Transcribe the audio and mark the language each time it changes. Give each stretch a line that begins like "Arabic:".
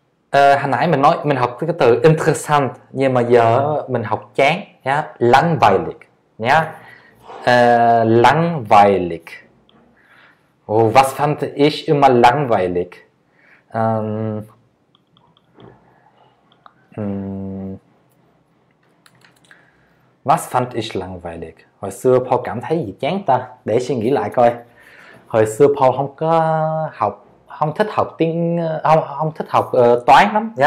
Vietnamese: Hồi nãy mình nói mình học cái từ interessant nhưng mà giờ mình học chán nhá, langweilig nhá.
German: Langweilig. Oh, was fand ich immer langweilig? Was fand ich langweilig?
Vietnamese: Hồi xưa Paul cảm thấy gì chán ta? Để suy nghĩ lại coi. Hồi xưa Paul không có học không thích học tiếng không không thích học toán lắm nha.